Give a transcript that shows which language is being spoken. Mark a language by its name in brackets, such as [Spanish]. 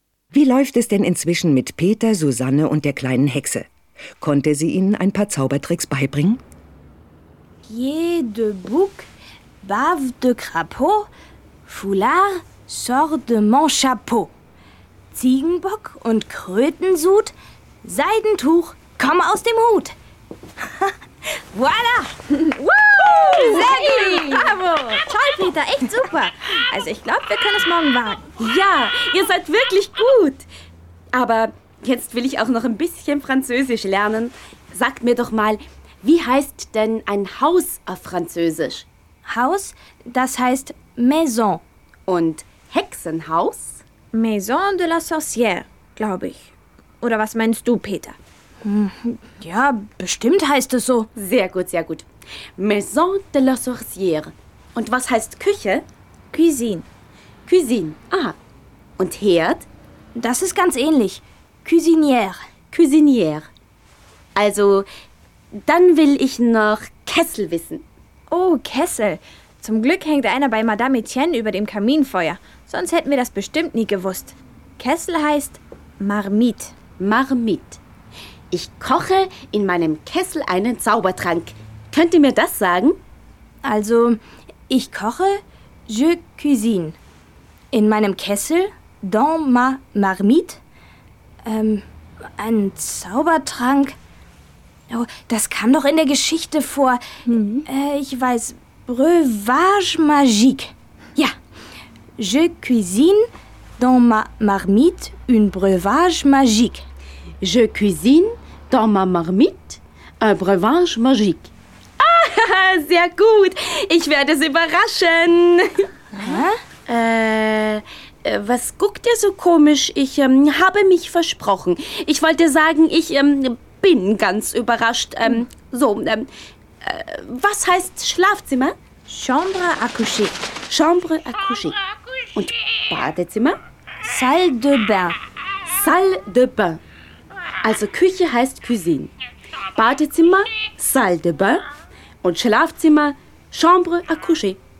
[German] Wie läuft es denn inzwischen mit Peter, Susanne und der kleinen Hexe? Konnte sie ihnen ein paar Zaubertricks beibringen? [French] Pied de bouc, bave de crapaud, foulard sort de mon chapeau. [German] Ziegenbock und Krötensud, Seidentuch, komm aus dem Hut. [French] Voilà! [German] Sehr gut! Bravo! Toll, Peter, echt super! Also ich glaube, wir können es morgen wagen. Ja, ihr seid wirklich gut! Aber jetzt will ich auch noch ein bisschen Französisch lernen. Sagt mir doch mal, wie heißt denn ein Haus auf Französisch? Haus, das heißt Maison. Und Hexenhaus? [French] Maison de la Sorcière, [German] glaube ich. Oder was meinst du, Peter? Ja, bestimmt heißt es so. Sehr gut, sehr gut. [French] Maison de la Sorcière. [German] Und was heißt Küche? [French] Cuisine. [German] Cuisine, aha. Und Herd? Das ist ganz ähnlich. Cuisinière. [French] Cuisinière. [German] Also, dann will ich noch Kessel wissen. Oh, Kessel. Zum Glück hängt einer bei Madame Etienne über dem Kaminfeuer. Sonst hätten wir das bestimmt nie gewusst. Kessel heißt Marmite. [French] Marmite. [German] Ich koche in meinem Kessel einen Zaubertrank. Könnt ihr mir das sagen? Also, ich koche, [French] je cuisine. [German] In meinem Kessel, [French] dans ma marmite. [German] Ein Zaubertrank. Oh, das kam doch in der Geschichte vor. Mhm. Ich weiß, [French] breuvage magique. Ja, je cuisine, dans ma marmite, un breuvage magique. Je cuisine, dans ma marmite, un breuvage magique. [German] Sehr gut. Ich werde es überraschen. Was guckt ihr so komisch? Ich habe mich versprochen. Ich wollte sagen, ich bin ganz überrascht. Was heißt Schlafzimmer? [French] Chambre à coucher. Chambre à coucher. [German] Und Badezimmer? [French] Salle de bain. Salle de bain. [German] Also Küche heißt Cuisine. Badezimmer? [French] Salle de bain. [German] Und Schlafzimmer, [French] Chambre à coucher.